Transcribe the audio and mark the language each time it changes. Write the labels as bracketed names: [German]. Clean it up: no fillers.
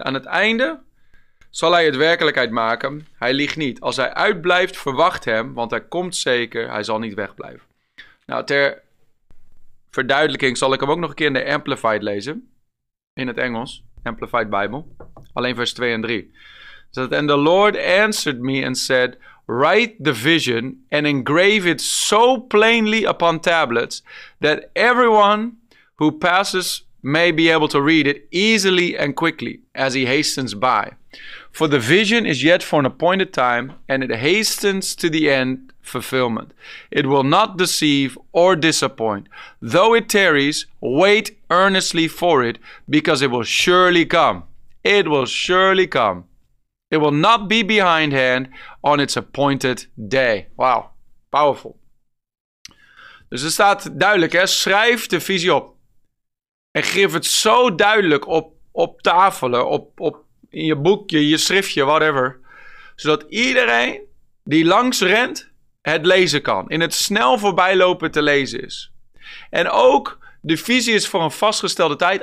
[Dutch] Aan het einde zal hij het werkelijkheid maken. Hij liegt niet. Als hij uitblijft, verwacht hem, want hij komt zeker, hij zal niet wegblijven. Nou, ter verduidelijking zal ik hem ook nog een keer in de Amplified lezen, in het Engels. Amplified Bible, alleen vers 2 en 3. [English] And the Lord answered me and said, write the vision and engrave it so plainly upon tablets that everyone who passes may be able to read it easily and quickly as he hastens by. For the vision is yet for an appointed time, and it hastens to the end fulfillment. It will not deceive or disappoint. Though it tarries, wait earnestly for it, because it will surely come. It will surely come. It will not be behindhand on its appointed day. Wow, powerful. [Dutch] Dus er staat duidelijk, hè? Schrijf de visie op. En geef het zo duidelijk op tafelen, op in je boekje, je schriftje, whatever. Zodat iedereen die langs rent het lezen kan. In het snel voorbijlopen te lezen is. En ook de visie is voor een vastgestelde tijd.